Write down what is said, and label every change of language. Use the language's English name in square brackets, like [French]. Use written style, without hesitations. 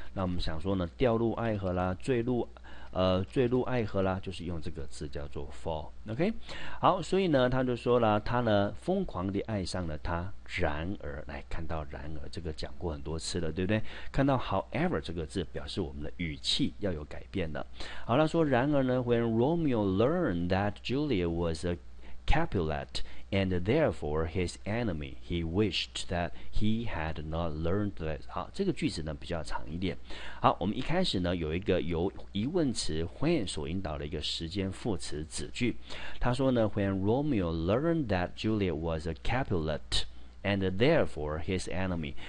[Chinese] 那我们想说呢，掉入爱河啦，坠入爱河啦，就是用这个字叫做 fall。 OK， 好，所以呢他就说了，他呢疯狂地爱上了他，然而，来看到然而这个讲过很多次了，对不对？看到 however 这个字表示我们的语气要有改变的。好，他说然而呢， [English] when Romeo learned that Julia was a Capulet and therefore his enemy, he wished that he had not learned this. [Chinese] 好，这个句子呢比较长一点。好，我们一开始呢有一个由疑问词 when 所引导的一个时间副词子句。他说呢 [English] ，When Romeo learned that Julia was a Capulet and therefore his enemy.